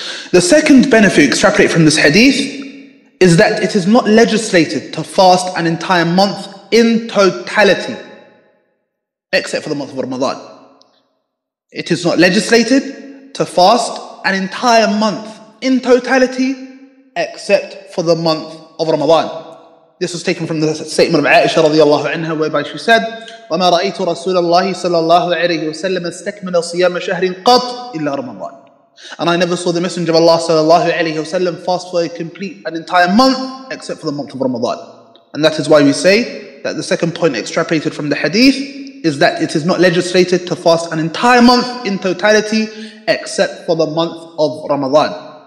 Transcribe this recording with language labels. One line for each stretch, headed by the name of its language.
English: The second benefit extrapolated from this hadith is that it is not legislated to fast an entire month in totality. except for the month of Ramadan. It is not legislated to fast an entire month in totality, except for the month of Ramadan. This was taken from the statement of Aisha radiallahu anha, whereby she said,
Arabic: وَمَا رَأَيْتُ رَسُولَ اللَّهِ صَلَّى اللَّهُ عَلَيْهِ وَسَلَّمَ اسْتَكْمَلَ صِيَامَ شَهْرٍ قَطْ إِلَّا رَمَضَانٍ.
English: And I never saw the Messenger of Allah صلى الله عليه وسلم fast for a complete, an entire month, except for the month of Ramadan. And that is why we say that the second point extrapolated from the hadith is that it is not legislated to fast an entire month in totality, except for the month of Ramadan.